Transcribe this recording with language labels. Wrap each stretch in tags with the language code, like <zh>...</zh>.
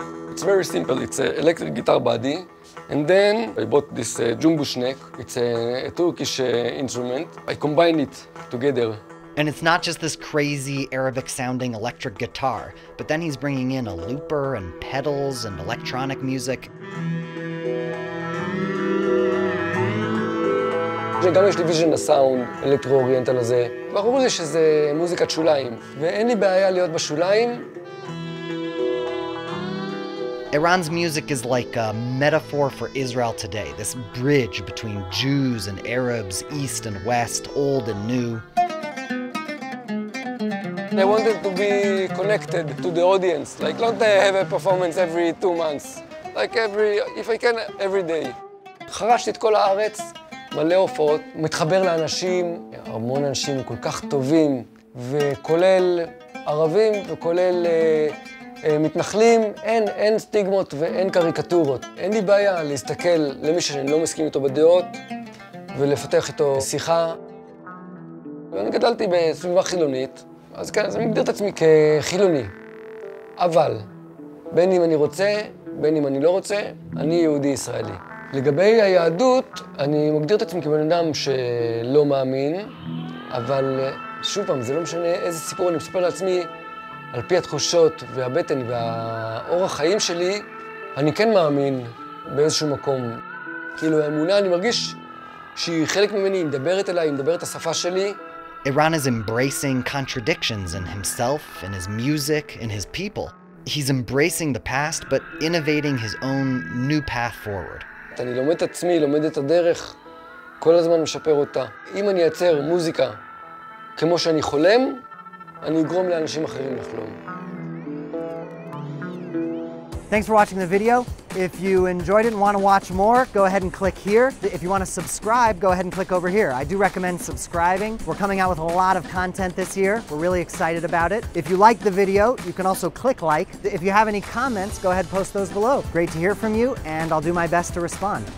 <en>It's very simple, it's an electric guitar body, and then I bought this Jumbush neck. It's a Turkish instrument. I combined it together. And it's not just this crazy Arabic-sounding electric guitar, but then he's bringing in a looper and pedals and electronic music.</en> <he>גם יש לי ויז'ן לסאונד אלקטרו-אוריינטל הזה. ברור לי שזה מוזיקת שוליים, ואין לי בעיה להיות בשוליים.</he> <en>Eran's music is like a metaphor for Israel today, this bridge between Jews and Arabs, East and West, old and new. I wanted to be connected to the audience, like not to have a performance every 2 months, like every, if I can, every day.</en> <he>חרשתי את כל הארץ, מלא הופעות, מתחבר לאנשים, המון אנשים כל כך טובים, וכולל ערבים וכולל מתנחלים, אין סטיגמות ואין קריקטורות. אין לי בעיה להסתכל למי שאני לא מסכים איתו בדעות ולפתח איתו שיחה. ואני גדלתי בסביבה חילונית, אז כן, אז אני מגדיר את עצמי כחילוני. אבל, בין אם אני רוצה, בין אם אני לא רוצה, אני יהודי-ישראלי. לגבי היהדות, אני מגדיר את עצמי כבן אדם שלא מאמין, אבל שוב פעם, זה לא משנה איזה סיפור אני מספר לעצמי, על פי התחושות והבטן והאורח החיים שלי, אני כן מאמין באיזשהו מקום. כאילו האמונה, אני מרגיש שהיא חלק ממני, היא מדברת אליי, היא מדברת את השפה שלי.</he> <en>Eran is embracing contradictions in himself, in his music, in his people. He's embracing the past, but innovating his own new path forward.</en> <he>אני לומד את עצמי, לומד את הדרך, כל הזמן משפר אותה. אם אני אצר מוזיקה כמו שאני חולם, אני אגרום לאנשים אחרים לחלום.</he> <en>Thanks for watching the video. If you enjoyed it and want to watch more, go ahead and click here. If you want to subscribe, go ahead and click over here. I do recommend subscribing. We're coming out with a lot of content this year. We're really excited about it. If you like the video, you can also click like. If you have any comments, go ahead and post those below. Great to hear from you, and I'll do my best to respond.</en>